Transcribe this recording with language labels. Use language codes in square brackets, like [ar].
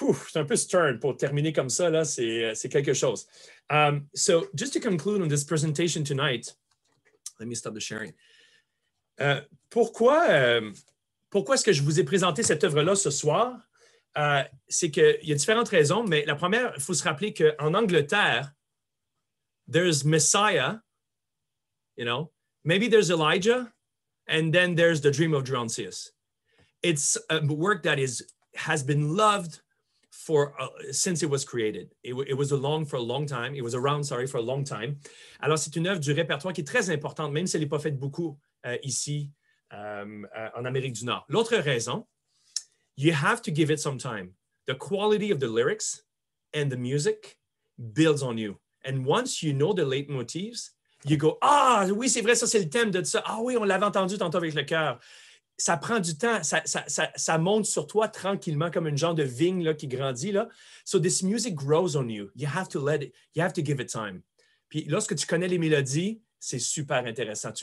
[fr] c'est un peu stern pour terminer comme ça, là, c'est quelque chose. [en] So, just to conclude on this presentation tonight, let me stop the sharing. [fr] Pourquoi est-ce que je vous ai présenté cette œuvre-là ce soir? C'est qu'il y a différentes raisons, mais la première, il faut se rappeler qu'en Angleterre, [en] there's Messiah, you know, maybe there's Elijah, and then there's the Dream of Gerontius. It's a work that has been loved since it was created. It was along for a long time. It was around, sorry, for a long time. [fr] Alors, c'est une œuvre du répertoire qui est très importante, même si elle n'est pas faite beaucoup ici en Amérique du Nord. L'autre raison, [en] you have to give it some time. The quality of the lyrics and the music builds on you. And once you know the leitmotifs, you go, [fr] ah, oui, c'est vrai, ça, c'est le thème de ça. Ah oui, on l'avait entendu tantôt avec le cœur. Ça prend du temps, ça monte sur toi tranquillement comme une genre de vigne là, qui grandit. Là. [en] So this music grows on you. You have to give it time. [fr] Puis lorsque tu connais les mélodies, c'est super intéressant.